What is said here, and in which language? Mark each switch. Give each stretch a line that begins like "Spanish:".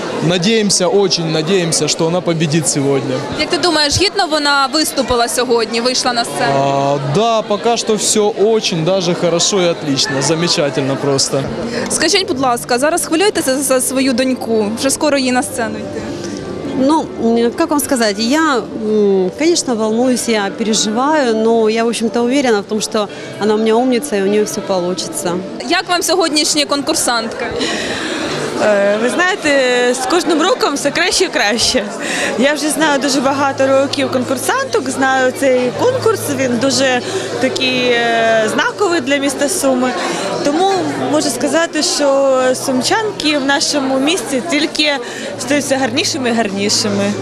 Ukrainian: Надіємося, дуже надіємося, що вона побідить сьогодні. Як ти думаєш, гідно вона виступила сьогодні, вийшла на сцену? Так, да, поки що все дуже, навіть хорошо і
Russian: отлично, замечательно просто.
Ukrainian: Скажіть, будь ласка, зараз хвилюєтеся за свою доньку? Вже скоро їй на сцену йти.
Russian: Ну, как вам сказать, я, конечно, волнуюсь, я переживаю, но я, в общем-то, уверена в том, что она у меня умница, и у нее все получится.
Ukrainian: Як вам сьогоднішня конкурсантка? Ви знаєте, з кожним роком все краще і краще. Я вже знаю дуже багато років конкурсанток, знаю цей конкурс, він дуже такий знаковий для міста Суми. Тому можу сказати, що сумчанки в нашому місті тільки стаються гарнішими і гарнішими.